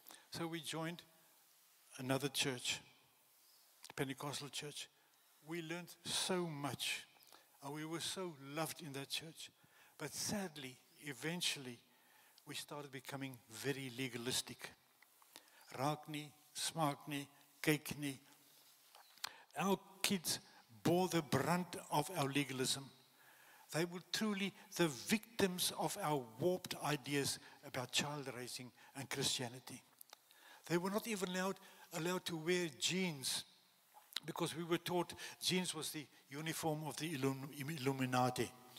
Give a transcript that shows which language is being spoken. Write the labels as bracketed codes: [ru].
[en] So we joined another church, the Pentecostal church. We learned so much and we were so loved in that church. But sadly, eventually, we started becoming very legalistic. [af] Raak nie, smaak nie, kyk nie. [en] Our kids bore the brunt of our legalism. They were truly the victims of our warped ideas about child raising and Christianity. They were not even allowed to wear jeans, because we were taught jeans was the uniform of the Illuminati.